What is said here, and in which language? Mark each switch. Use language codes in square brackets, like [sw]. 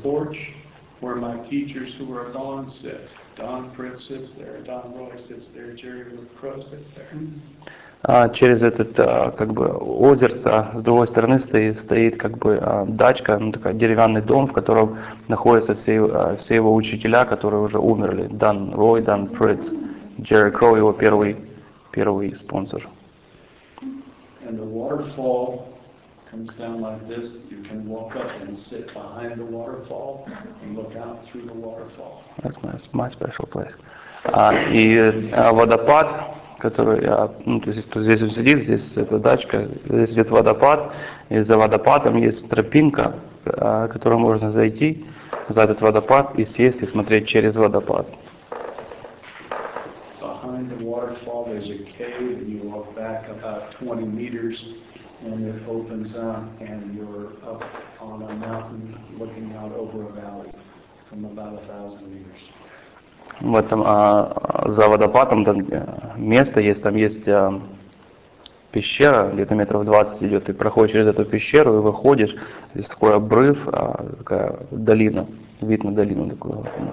[en] porch where my teachers who are gone sit. Don Pritt sits there, Don Roy sits there, Jerry Crow sits there. [ru] Через этот как бы озерце с другой стороны стоит как бы дачка, ну, такой деревянный дом, в котором находятся все его учителя, которые уже умерли. Дан Рой, Дан Фриц, Джерри Кроу, его первый спонсор. [en] And the waterfall comes down like this. You can walk up and sit behind the waterfall and look out through the waterfall. That's my special place. Водопад. [ru] Который я, ну, то есть здесь он сидит, здесь эта дачка, здесь идет водопад, и за водопадом есть тропинка, которую можно зайти за этот водопад и сесть и смотреть через водопад. [en] Behind the waterfall there's a cave and you walk back about 20 meters and it opens up and you're up on a mountain looking out over a valley from about 1,000 meters. [ru] В этом за водопадом там место есть, там есть пещера, где-то 20 метров идет, ты проходишь через эту пещеру и выходишь, здесь такой обрыв, такая долина, вид на долину такую.